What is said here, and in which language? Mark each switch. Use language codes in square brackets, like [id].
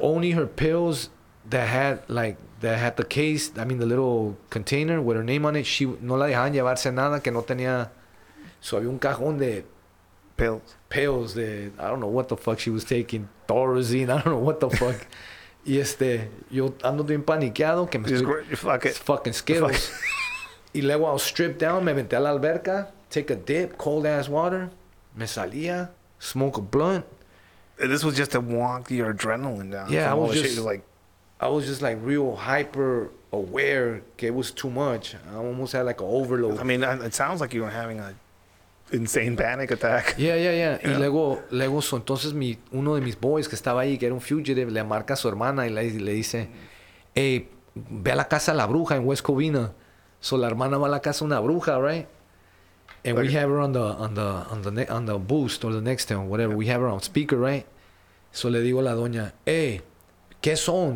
[en] So only her pills that had the case, I mean the little container with her name on it, she [es] no la dejaban llevarse nada que no tenía... So, había un cajón de [en] pills de, I don't know what the fuck she was taking, Thorazine, I don't know what the fuck. [es] Y este, yo ando bien paniqueado, que me [en] estoy, fuck it. Fucking Skittles. [es] Y luego, [en] I was stripped down, [es] me metí a la alberca, [en] take a dip, cold ass water, [es] me salía, [en] smoke a blunt. And this was just to walk your adrenaline down. Yeah, I was just like real hyper aware que it was too much. I almost had like an overload. I mean, it sounds like you were having a insane panic attack. Yeah. [es] Y luego, so, entonces uno de mis boys que estaba ahí, que era un fugitive, le marca a su hermana y le dice, hey, ve a la casa de la bruja en West Covina. So la hermana va a la casa de una bruja, right? [en] And like, we have her on the boost or the next thing, whatever. Yeah. We have her on speaker, right? [es] So le digo a la doña, hey, ¿qué son?